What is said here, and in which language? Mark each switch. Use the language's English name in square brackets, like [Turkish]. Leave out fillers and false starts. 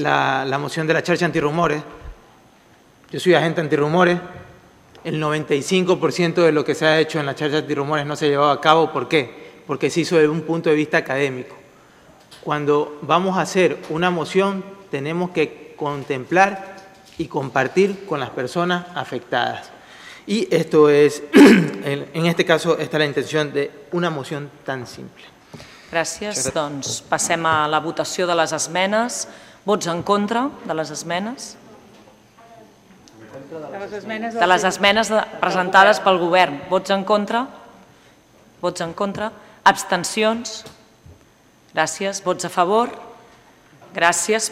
[Catalan] La moció de la xarxa antirrumores. [Spanish] Jo soy agente antirrumores. El 95% de lo que se ha hecho en la xarxa antirrumores no se ha llevado a cabo. ¿Por qué? Porque se hizo desde un punto de vista académico. Cuando vamos a hacer una moción, tenemos que contemplar y compartir con las personas afectadas. Y esto es, en este caso, esta es la intención de una moción tan simple. [Catalan] Gràcies. Doncs passem a la votació de les esmenes. Vots en contra de les esmenes? De les esmenes presentades pel govern. Vots en contra? Vots en contra? Abstencions? Gràcies. Vots a favor? Gràcies.